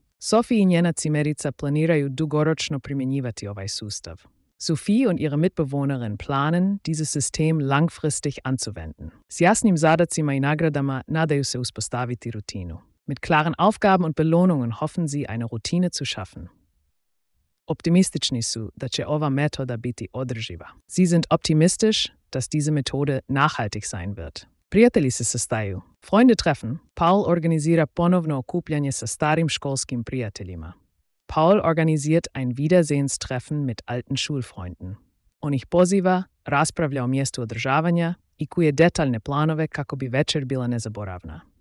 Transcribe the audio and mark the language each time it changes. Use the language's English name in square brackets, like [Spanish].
[Croatian] Sophie i njena cimerica planiraju dugoročno primjenjivati ovaj sustav. [German] Sophie und ihre Mitbewohnerin planen, dieses System langfristig anzuwenden. [Croatian] S jasnim zadacima i nagradama nadaju se uspostaviti rutinu. [German] Mit klaren Aufgaben und Belohnungen hoffen sie, eine Routine zu schaffen. [Croatian] Optimistični su da će ova metoda biti održiva. [German] Sie sind optimistisch, dass diese Methode nachhaltig sein wird. [Croatian] Prijatelji se sastaju. [German] Freunde treffen. [Croatian] Paul organisira ponovno okupljanje sa starim školskim prijateljima. [German] Paul organisiert ein Wiedersehenstreffen mit alten Schulfreunden. [Croatian] On ih poziva, raspravlja o mjestu održavanja i kuje detaljne planove kako bi večer bila nezaboravna.